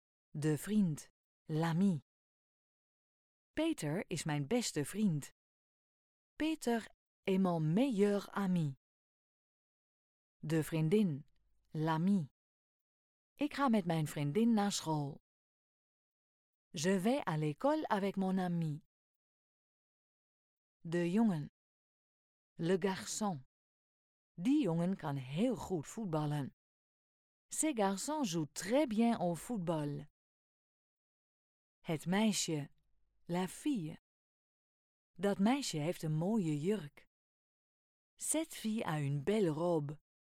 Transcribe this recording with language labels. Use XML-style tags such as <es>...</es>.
<nl>De vriend.</nl> <fr>L'ami.</fr> <nl>Peter is mijn beste vriend.</nl> <fr>Peter est mon meilleur ami.</fr> <nl>De vriendin.</nl> <fr>L'ami.</fr> <nl>Ik ga met mijn vriendin naar school.</nl> <fr>Je vais à l'école avec mon ami.</fr> <nl>De jongen.</nl> <fr>Le garçon.</fr> <nl>Die jongen kan heel goed voetballen.</nl> <fr>Ce garçon joue très bien au football.</fr> <nl>Het meisje.</nl> <fr>La fille.</fr> <nl>Dat meisje heeft een mooie jurk.</nl> <fr>Cette fille a une belle robe.</fr>